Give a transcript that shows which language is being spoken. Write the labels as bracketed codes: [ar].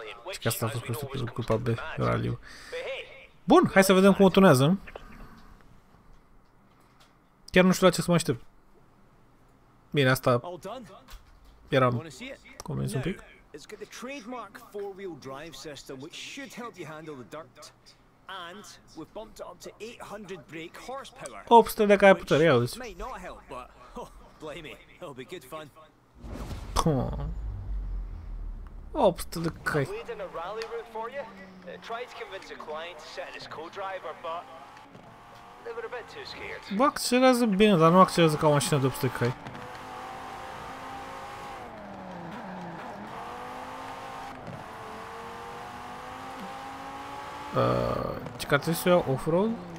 [ro] Și că asta a fost construit pentru grupa B, Rally-ul. Bun, hai să vedem cum o tunează. Chiar nu știu la ce să mă aștept. Bine, asta... Eram... Convins un pic. [en] It's got the trademark four-wheel drive system which should help you handle the dirt. And we've bumped it up to 800 brake horsepower. [ro] 800 de cai putere, ia uite. [en] May not help, but blame me. It'll be good fun. [ro] 800 de cai. [en] I've laid in a rally route for you. I tried to convince a client to set in his co-driver, but they were a bit too scared. [ro] Bă, accelerează bine, dar nu accelerează ca o mașină de 800 de cai. Ce că trebuie să iau off-road?